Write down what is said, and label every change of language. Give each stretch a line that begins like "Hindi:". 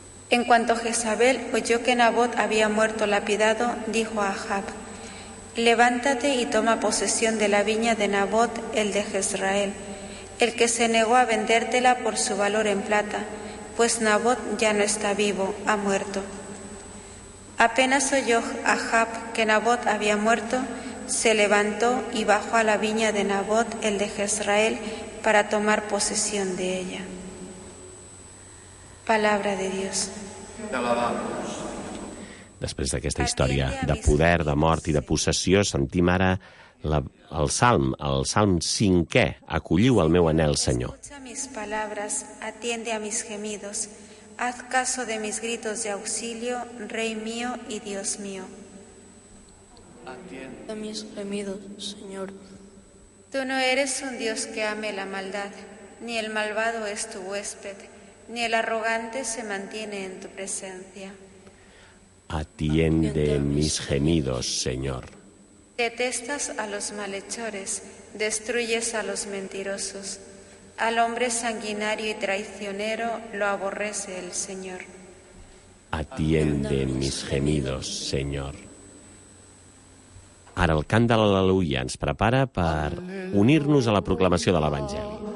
Spanish: En cuanto Jezabel oyó que Nabot había muerto lapidado, dijo a Ahab: levántate y toma posesión de la viña de Nabot, el de Jezreel, el que se negó a vendértela por su valor en plata, pues Nabot ya no está vivo, ha muerto. Apenas oyó Ahab que Nabot había muerto, se levantó y bajó a la viña de Nabot, el de Jezreel, para tomar posesión de ella. Palabra de Dios. Te alabamos.
Catalan: Després d'aquesta història de poder, de mort i de possessió, sentim ara el Salm 5è: acolliu el meu anhel, Senyor.
Spanish: Escucha mis palabras, atiende a mis gemidos, haz caso de mis gritos de auxilio, Rey mío y Dios mío. Atiende a mis gemidos, Señor. Tú no eres un Dios que ame la maldad, ni el malvado es tu huésped, ni el arrogante se mantiene en tu presencia. Atiende mis gemidos, Señor. Detestas a los malhechores, destruyes a los mentirosos. Al hombre sanguinario y traicionero lo aborrece el Señor. Atiende mis gemidos, Señor.
Catalan: Ara el cant de l'Aleluia ens prepara per unir-nos a la proclamació de l'Evangeli.